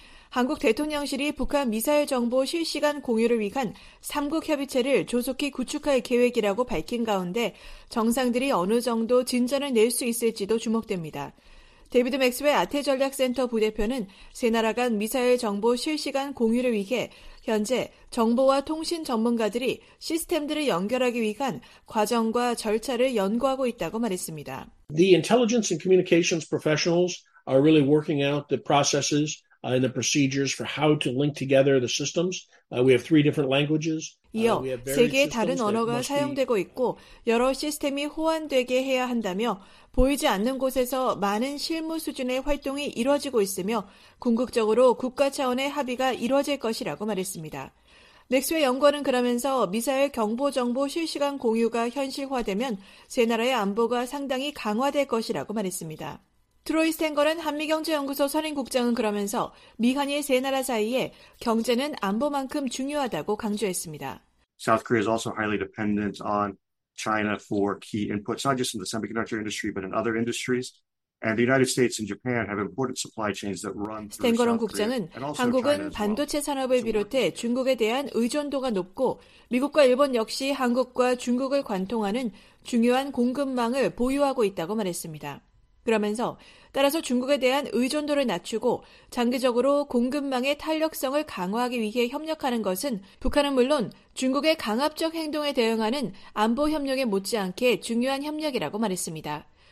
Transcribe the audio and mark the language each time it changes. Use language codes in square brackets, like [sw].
[ko] 한국 대통령실이 북한 미사일 정보 실시간 공유를 위한 3국 협의체를 조속히 구축할 계획이라고 밝힌 가운데 정상들이 어느 정도 진전을 낼 수 있을지도 주목됩니다. 데이비드 맥스웰 아태 전략센터 부대표는 세 나라 간 미사일 정보 실시간 공유를 위해 현재 정보와 통신 전문가들이 시스템들을 연결하기 위한 과정과 절차를 연구하고 있다고 말했습니다. [en] The intelligence and communications professionals are really working out the processes and the procedures for how to link together the systems. We have three different languages. [ko] 이어 세계의 다른 언어가 사용되고 있고 여러 시스템이 호환되게 해야 한다며 보이지 않는 곳에서 많은 실무 수준의 활동이 이루어지고 있으며 궁극적으로 국가 차원의 합의가 이루어질 것이라고 말했습니다. 맥스웰 연구원은 그러면서 미사일 경보 정보 실시간 공유가 현실화되면 세 나라의 안보가 상당히 강화될 것이라고 말했습니다. 트로이 스탱거란 한미경제연구소 선임국장은 그러면서 미한이 세 나라 사이에 경제는 안보만큼 중요하다고 강조했습니다. [en] South Korea is also highly dependent on China for key inputs, not just in the semiconductor industry, but in other industries. And the United States and Japan have important supply chains that run through. [ko] 스탱거런 국장은 한국은 반도체 산업을 비롯해 중국에 대한 의존도가 높고 미국과 일본 역시 한국과 중국을 관통하는 중요한 공급망을 보유하고 있다고 말했습니다. 그러면서 따라서 중국에 대한 의존도를 낮추고 장기적으로 공급망의 탄력성을 강화하기 위해 협력하는 것은 북한은 물론 중국의 강압적 행동에 대응하는 안보 협력에 못지않게 중요한 협력이라고 말했습니다.